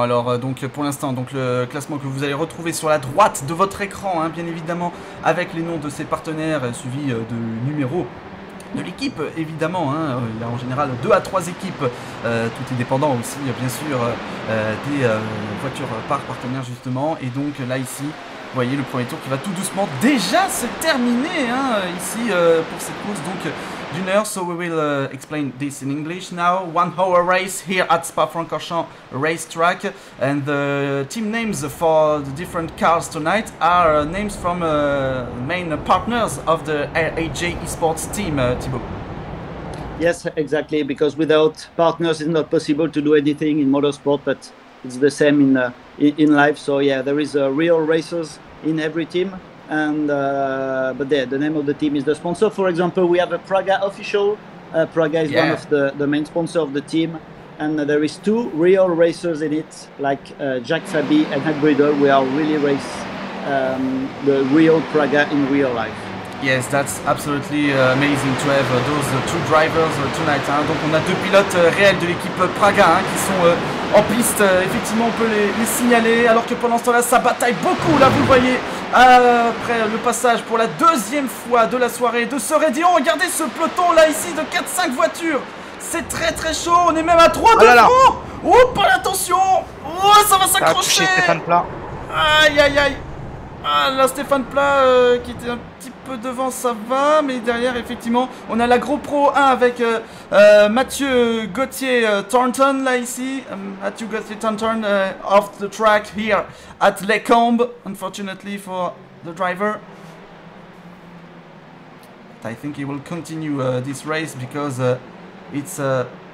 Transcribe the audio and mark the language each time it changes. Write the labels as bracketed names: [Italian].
[French] Alors donc pour l'instant, donc le classement que vous allez retrouver sur la droite de votre écran, hein, bien évidemment, avec les noms de ces partenaires suivis de numéros de l'équipe, évidemment, hein, il y a en général 2 à 3 équipes, tout est dépendant aussi bien sûr des voitures par partenaire justement. Et donc là ici, vous voyez le premier tour qui va tout doucement déjà se terminer, hein, ici pour cette course donc d'une heure. [English] So we will explain this in English now. 1 hour race here at Spa-Francorchamps racetrack, and the team names for the different cars tonight are names from main partners of the AJ Esports team. Thibaut. Yes, exactly. Because without partners, it's not possible to do anything in motorsport. But it's the same in life. So yeah, there is real racers in every team. And but there, the name of the team is the sponsor. For example, we have a Praga official. Praga is one of the main sponsors of the team, and there is 2 real racers in it, like Jack Fabi and Hank Bridle. We are really race the real Praga in real life. Yes, that's absolutely amazing to have those two drivers tonight. Hein. [French] Donc on a 2 pilotes réels de l'équipe Praga, hein, qui sont en piste. Effectivement, on peut les signaler. Alors que pendant ce temps-là, ça bataille beaucoup. Là, vous voyez. Après le passage pour la 2e fois de la soirée de ce Redion, regardez ce peloton là ici de 4-5 voitures. C'est très très chaud, on est même à 3 de front. Oups, attention. Oh, ça va s'accrocher. Ça a touché Stéphane Plat. Aïe aïe aïe. Ah là, Stéphane Plat qui était un petit peu devant, ça va. Mais derrière effectivement on a la GoPro 1 avec Mathieu Gauthier Thornton là ici. [English] Mathieu Gauthier Thornton off the track here at Lecombe, unfortunately for the driver. But I think he will continue this race because it's a...